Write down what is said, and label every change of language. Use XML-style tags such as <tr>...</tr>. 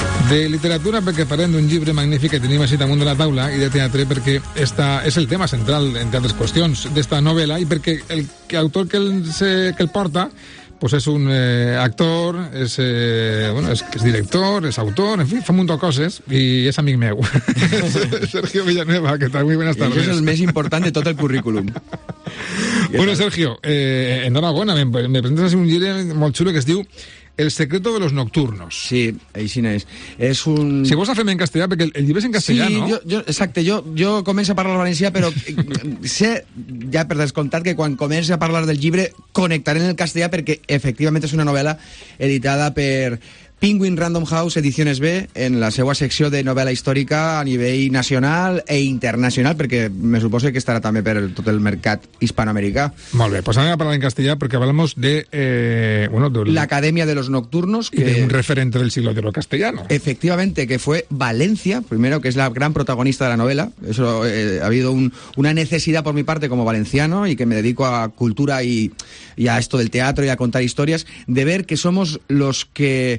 <ca>De literatura perquè parlem d'un llibre magnífic que tenim així damunt de la taula, i de teatre perquè esta és el tema central, entre altres qüestions, d'esta novel·la, i perquè el autor que el porta pues és un actor, és, bueno, és director, és autor, en fi, fa un munt de coses, i és amic meu.</ca> <es>Sergio Villanueva, que tal? Muy buenas tardes.</es> <ca>I això és el més important de tot el currículum. Bueno, Sergio,</ca> <es>enhorabuena,</es> <ca>me presentes un llibre molt xulo que es diu El secreto de los nocturnos. Sí, així no és. És un... Si vols fer-me en castellà, perquè el llibre és en castellà, sí, no? Sí, exacte, jo començo a parlar valencià, però sé, ja per descomptat, que quan comenci a parlar del llibre connectaré en el castellà, perquè efectivament és una novel·la editada per Penguin Random House Ediciones B, en la seva secció de novel·la històrica a nivell nacional e internacional, perquè me suposo que estarà també per tot el mercat hispanoamericà. Molt bé, pues anem a parlar en castellà, perquè</ca> <es>hablamos de...</es> <ca>L'Academia de los Nocturnos. Que...</ca> <es>de un referente del siglo de lo castellano. Efectivamente, que fue Valencia, primero, que es la gran protagonista de la novela. Eso ha habido una necesidad por mi parte como valenciano, y que me dedico a cultura y a esto del teatro y a contar historias, de ver que somos los que...</es>